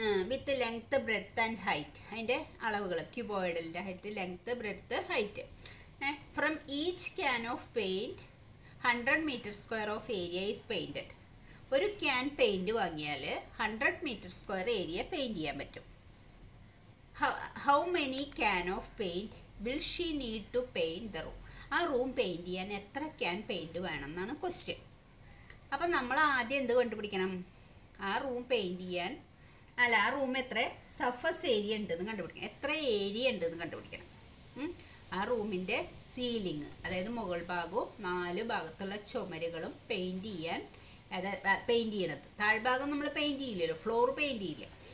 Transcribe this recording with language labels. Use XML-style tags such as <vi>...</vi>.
<en>with length, breadth and height,</en> <ml>അതിൻ്റെ അളവുകൾ, ക്യൂബോയിഡലിൻ്റെ height, length, breadth, height.</ml> <en>From each can of paint 100 meter square of area is painted.</en> <ml>ഒരു can paint വാങ്ങിയാൽ 100 meter square area paint ചെയ്യാൻ പറ്റും.</ml> <en>How many can of paint will she need to paint the room?</en> <ml>ആ room paint ചെയ്യാൻ എത്ര can paint വേണമെന്നാണ് question. അപ്പം നമ്മൾ ആദ്യം എന്ത് കണ്ടുപിടിക്കണം? ആ റൂം പെയിൻറ്റ് ചെയ്യാൻ, അല്ല, ആ റൂം എത്ര സർഫസ് ഏരിയ ഉണ്ടെന്ന് കണ്ടുപിടിക്കണം, എത്ര ഏരിയ ഉണ്ടെന്ന് കണ്ടുപിടിക്കണം. ആ റൂമിൻ്റെ സീലിംഗ്, അതായത് മുകൾ ഭാഗവും 4 ഭാഗത്തുള്ള ചുമരുകളും പെയിൻറ്റ് ചെയ്യാൻ, അതായത് പെയിൻറ്റ് ചെയ്യണത്, താഴ്ഭാഗം നമ്മൾ പെയിൻറ്റ് ചെയ്യില്ലല്ലോ, ഫ്ലോർ പെയിൻറ്റ് ചെയ്യില്ല.</ml>